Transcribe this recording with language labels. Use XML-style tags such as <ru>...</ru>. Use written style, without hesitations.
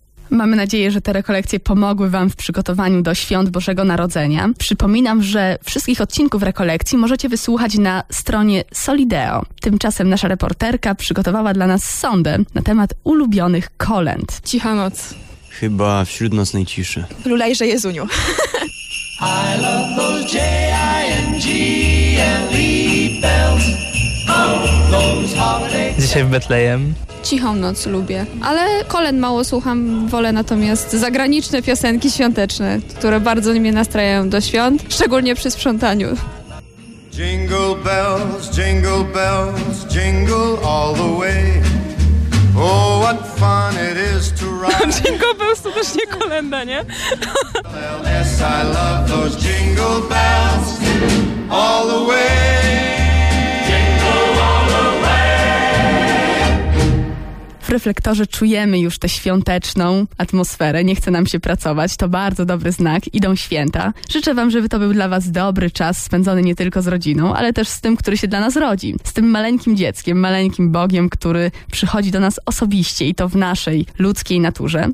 <pl>Mamy nadzieję, że te rekolekcje pomogły Wam w przygotowaniu do świąt Bożego Narodzenia. Przypominam, że wszystkich odcinków rekolekcji możecie wysłuchać na stronie Solideo. Tymczasem nasza reporterka przygotowała dla nas sondę na temat ulubionych kolęd. Cicha noc. Chyba wśród nocnej ciszy. Lulajże Jezuniu.</pl> <en>I love those J-I-N-G-L-E bells. Oh, those holidays.</en> <pl>Dzisiaj w Betlejem. Cichą noc lubię, ale kolęd mało słucham, wolę natomiast zagraniczne piosenki świąteczne, które bardzo mnie nastrajają do świąt, szczególnie przy sprzątaniu.</pl> <en>Jingle bells, jingle bells, jingle all the way. Oh, what fun it is to ride.</en> <pl>Jingle bells to też nie kolenda, nie?</pl> <en>I love those jingle bells all the way.</en> <pl>W reflektorze czujemy już tę świąteczną atmosferę, nie chce nam się pracować, to bardzo dobry znak, idą święta. Życzę wam, żeby to był dla was dobry czas spędzony nie tylko z rodziną, ale też z tym, który się dla nas rodzi. Z tym maleńkim dzieckiem, maleńkim Bogiem, który przychodzi do nas osobiście i to w naszej ludzkiej naturze.</pl>